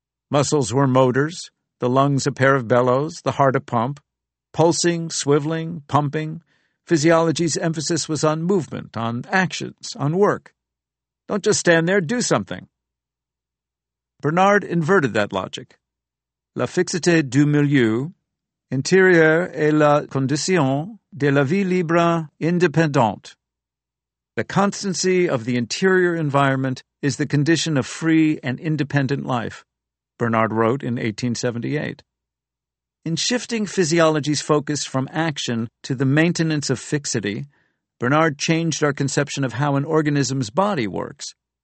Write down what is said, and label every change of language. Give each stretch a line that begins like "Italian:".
English: Muscles were motors, the lungs a pair of bellows, the heart a pump. Pulsing, swiveling, pumping, physiology's emphasis was on movement, on actions, on work. Don't just stand there, do something. Bernard inverted that logic.
French: La fixité du milieu, intérieur et la condition de la vie libre indépendante.
English: The constancy of the interior environment is the condition of free and independent life, Bernard wrote in 1878. In shifting physiology's focus from action to the maintenance of fixity, Bernard changed our conception of how an organism's body works.